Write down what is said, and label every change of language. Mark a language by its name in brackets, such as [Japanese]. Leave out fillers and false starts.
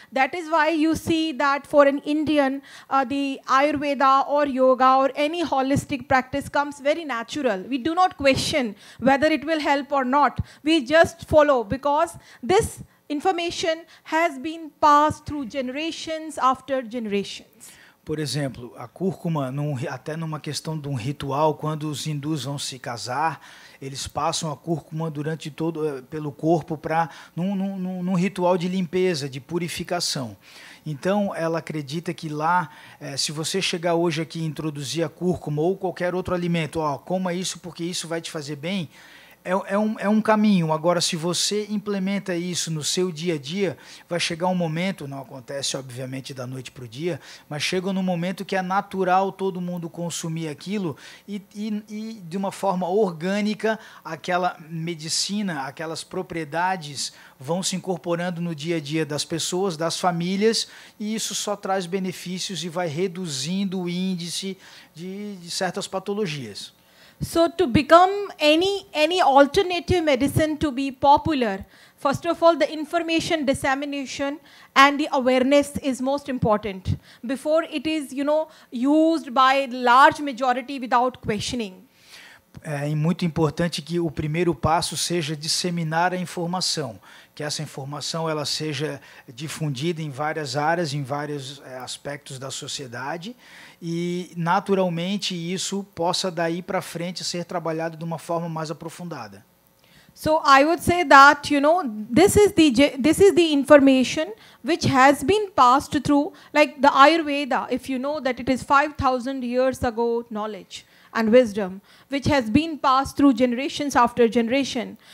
[English] That is why you see that for an Indian, the Ayurveda or yoga or any holistic practice comes very natural. We do not question whether it will help or not. We just follow because this information has been passed through generations after generations. [Portuguese] Por exemplo, a cúrcuma, até numa questão de um ritual, quando os hindus vão se casar, eles passam a cúrcuma durante todo pelo corpo para num ritual de limpeza, de purificação. Então, ela acredita que lá, se você chegar hoje aqui e introduzir a cúrcuma ou qualquer outro alimento, coma isso porque isso vai te fazer bem. É um caminho. Agora, se você implementa isso no seu dia a dia, vai chegar um momento, não acontece, obviamente, da noite para o dia, mas chega num momento que é natural todo mundo consumir aquilo e de uma forma orgânica, aquela medicina, aquelas propriedades vão se incorporando no dia a dia das pessoas, das famílias, e isso só traz benefícios e vai reduzindo o índice de certas patologias. [English] So to become any alternative medicine to be popular, first of all, the information dissemination and the awareness is most important before it is, you know, used by large majority without questioning. [Portuguese] É muito importante que o primeiro passo seja disseminar a informação, que essa informação ela seja difundida em várias áreas, em vários aspectos da sociedade, e naturalmente isso possa daí para frente ser trabalhado de uma forma mais aprofundada. [English] So I would say that, you know, this is the information which has been passed through, like the Ayurveda, if you know that it is 5,000 years ago knowledge. and wisdom, which has been passed through generations after generation.